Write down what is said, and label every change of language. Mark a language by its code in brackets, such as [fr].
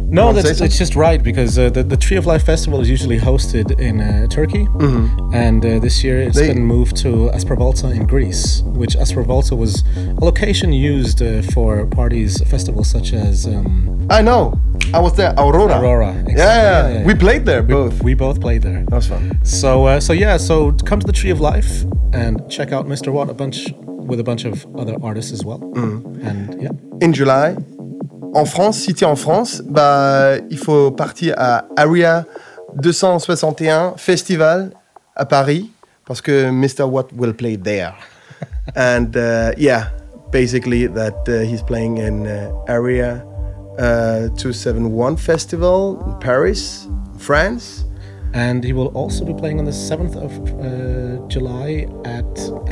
[en] No, it's just right, because the Tree of Life Festival is usually hosted in Turkey, and this year it's been moved to Aspravalta in Greece, which Aspravalta was a location used for parties, festivals such as... I know, I was there, Aurora. Aurora, exactly. Yeah, we played there, both. We both played there. That was fun. So come to the Tree of Life and check out Mr. Watt with a bunch of other artists as well. Mm. And yeah. In July... [fr] En France, si t'es en France, bah, il faut partir à Area 261 Festival à Paris, parce que Mr. [en] Watt will play there. And basically that he's playing in Area 271 Festival in Paris, France. And he will also be playing on the 7th of July at...